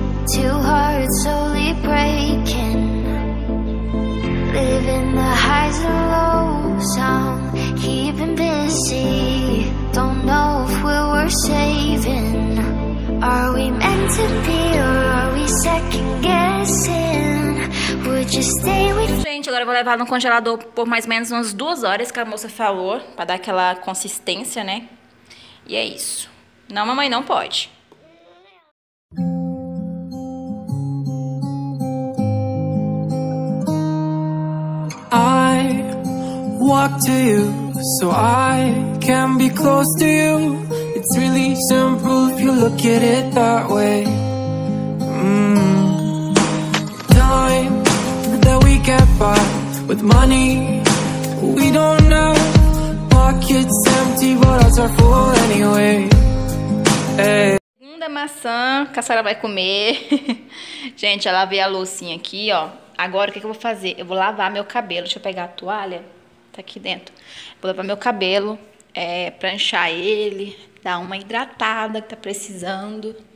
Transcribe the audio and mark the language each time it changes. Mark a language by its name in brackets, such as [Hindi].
[English] Two hearts slowly breaking. Living the highs and lows, I'm keeping busy. Don't know if we're worth saving. Are we meant to be or are we second guessing? Would you stay with me? [Portuguese] Gente, agora eu vou levar no congelador por mais ou menos umas 2 horas, que a moça falou, para dar aquela consistência, né? E é isso. Não, mamãe, não pode. [English] I walk to you so I can be close to you. It's really simple if you look at it that way. Time that we get by with money we don't know. Pockets empty, but hearts are full anyway. [Portuguese] Segunda maçã que a Sarah vai comer. Gente, eu lavei a loucinha aqui, ó. Agora, o que que eu vou fazer? Eu vou lavar meu cabelo. Deixa eu pegar a toalha. Tá aqui dentro. Vou lavar meu cabelo, pranchar ele, dar uma hidratada que tá precisando.